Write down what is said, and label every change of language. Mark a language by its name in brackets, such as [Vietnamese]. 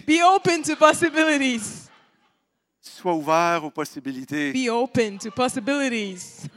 [English] Be open to possibilities. [French] Sois ouvert aux possibilités. [English] Be open to possibilities.